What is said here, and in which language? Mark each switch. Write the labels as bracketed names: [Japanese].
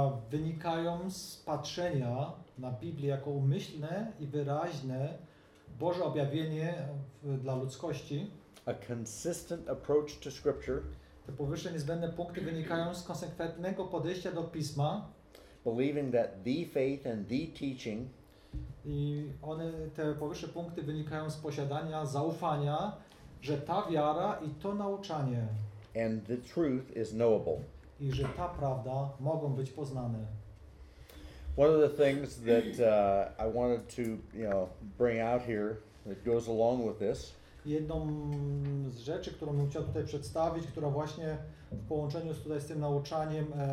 [Polish] wynikają z patrzenia na Biblię jako umyślne i wyraźne Boże objawienie dla ludzkości. [English] A consistent approach to scripture. [Polish] Te powyższe niezbędne punkty wynikają z konsekwentnego podejścia do Pisma. [English] Believing that the faith and the teaching. [Polish] I one, te powyższe punkty wynikają z posiadania zaufania, że ta wiara i to nauczanie. [English] And the truth is knowable. [Polish] I że ta prawda mogą być poznane. [English] One of the things that I wanted to, you know, bring out here that goes along with this. [Polish] Jedną z rzeczy, którą bym chciał tutaj przedstawić, która właśnie w połączeniu z tym nauczaniem